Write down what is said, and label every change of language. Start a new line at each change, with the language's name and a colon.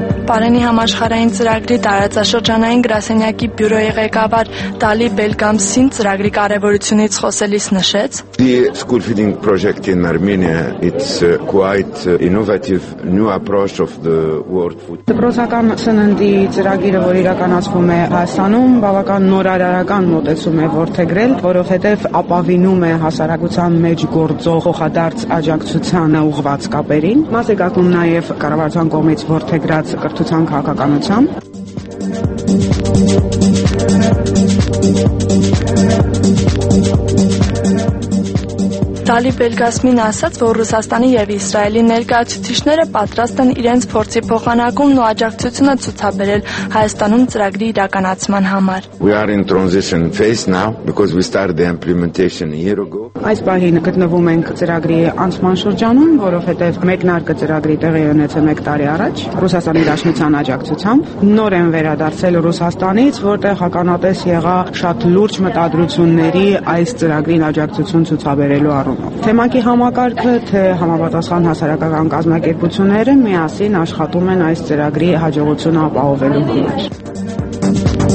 Armenian: Պարենի համաշխարհային ծրագրի տարածաշրջանային գրասենյակի բյուրոյի ղեկավար Դալի Բելգամսին ծրագրի կարևորությունից խոսելիս նշեց.
English: The school feeding project in Armenia, it's quite innovative new approach of the world food.
Armenian: Դպրոցական սննդի ծրագիրը, որ իրականացվում է Հայաստանում, բավական նորարարական մոտեցում է որդեգրել, որովհետև ապավինում է հասարակության մեջ գործող խոհադարձ աջակցության ուղղված կապերին։ Մաս է գտնում նաև կառավարության կողմից որդեգրած կրթության քաղաքականությամբ։ Դալի Բելգամսին ասաց, որ Ռուսաստանի և Իսրայելի ներկայացուցիչները պատրաստ են իրենց փորձի փոխանակումն ու աջակցությունը ցուցաբերել Հայաստանում ծրագրի իրականացման համար.
English: We are in transition phase now because we started the implementation a year ago.
Armenian: Այս պահին գտնվում ենք ծրագրի անցման շրջանում, որովհետև մեկնարկը ծրագրի տեղի ունեցել 1 տարի առաջ Ռուսաստանի Իրաշնության աջակցությամբ։ Նոր են վերադարձել Ռուսաստանից, որտեղ հականատես եղա շատ լուրջ մտադրությունների այս ծրագրին աջակցություն ցուցաբերելու Թեմակի համակարգը, թե համապատասխան հասարակական կազմակերպությունները միասին աշխատում են այս ծրագրի հաջողություն ապահովելու համար։